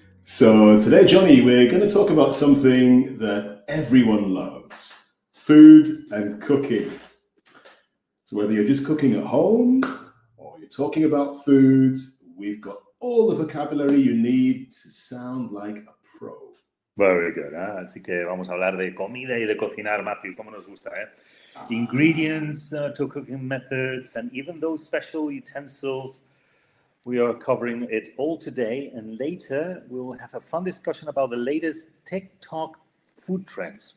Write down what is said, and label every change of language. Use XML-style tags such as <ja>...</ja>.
<en>So today, Johnny, we're going to talk about something that everyone loves, food and cooking. So whether you're just cooking at home or you're talking about food, we've got all the vocabulary you need to sound like a pro. Very good. ¿Eh?</en> <es>Así que vamos a hablar de comida y de cocinar, Matthew, como nos gusta. ¿Eh?</es> <en>Ingredients to cooking methods and even those special utensils. We are covering it all today, and later we'll have a fun discussion about the latest TikTok food trends.</en>